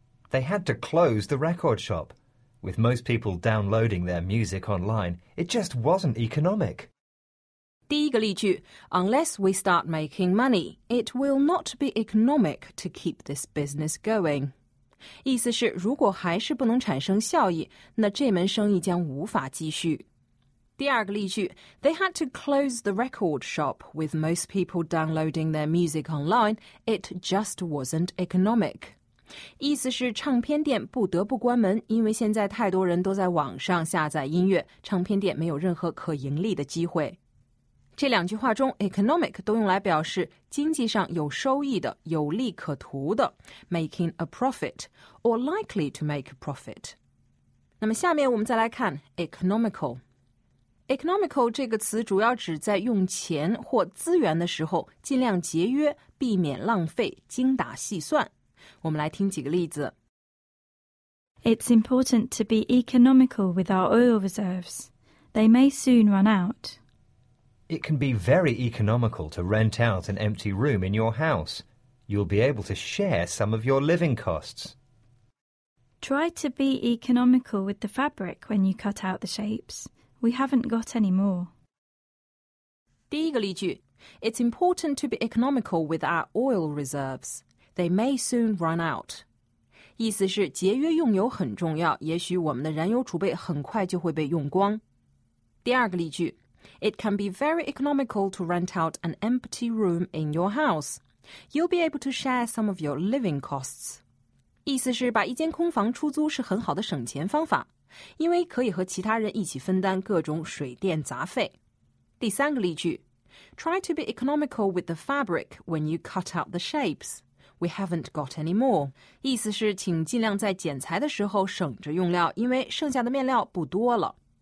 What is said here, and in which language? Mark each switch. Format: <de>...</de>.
<en>They had to close the record shop. With most people downloading their music online, it just wasn't economic.</en> <zh>第一个例句</zh> <en>Unless we start making money, it will not be economic to keep this business going.</en> <zh>意思是如果还是不能产生效益，那这门生意将无法继续。第二个例句</zh> <en>They had to close the record shop. With most people downloading their music online, it just wasn't economic.</en> <zh>意思是唱片店不得不关门，因为现在太多人都在网上下载音乐，唱片店没有任何可盈利的机会。这两句话中 economic 都用来表示经济上有收益的、有利可图的</zh> <en>making a profit or likely to make a profit.</en> <zh>那么下面我们再来看 economical. Economical 这个词主要指在用钱或资源的时候尽量节约、避免浪费、精打细算。我们来听几个例子。</zh> <en>It's important to be economical with our oil reserves. They may soon run out. It can be very economical to rent out an empty room in your house. You'll be able to share some of your living costs. Try to be economical with the fabric when you cut out the shapes. We haven't got any more.</en> <zh>第一个例句</zh> <en>It's important to be economical with our oil reserves. They may soon run out.</en> <zh>意思是节约用油很重要，也许我们的燃油储备很快就会被用光。第二个例句</zh> <en>It can be very economical to rent out an empty room in your house. You'll be able to share some of your living costs.</en> <zh>意思是把一间空房出租是很好的省钱方法，因为可以和其他人一起分担各种水电杂费。第三个例句</zh> <en>Try to be economical with the fabric when you cut out the shapes. We haven't got any more.</en> <zh>意思是请尽量在剪裁的时候省着用料，因为剩下的面料不多了。</zh>